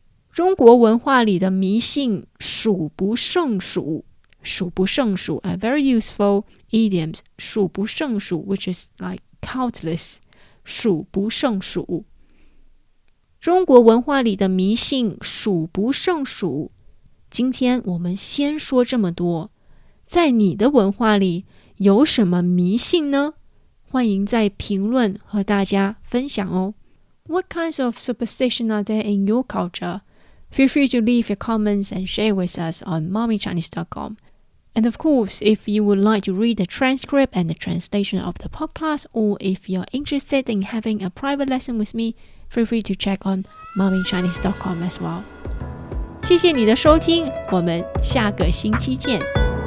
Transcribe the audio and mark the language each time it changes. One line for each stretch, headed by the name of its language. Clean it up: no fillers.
Chinese: 中国文化里的迷信数不胜数，数不胜数
English: a very useful idioms，
Chinese: 数不胜数
English: which is like countless，
Chinese: 数不胜数。中国文化里的迷信数不胜数，今天我们先说这么多。在你的文化里有什么迷信呢？欢迎在评论和大家分享哦。
English: What kinds of superstition are there in your culture? Feel free to leave your comments and share with us on mommychinese.com. And of course, if you would like to read the transcript and the translation of the podcast, or if you're interested in having a private lesson with me,Feel free to check on mommychinese.com as well.
Chinese: 谢谢你的收听，我们下个星期见。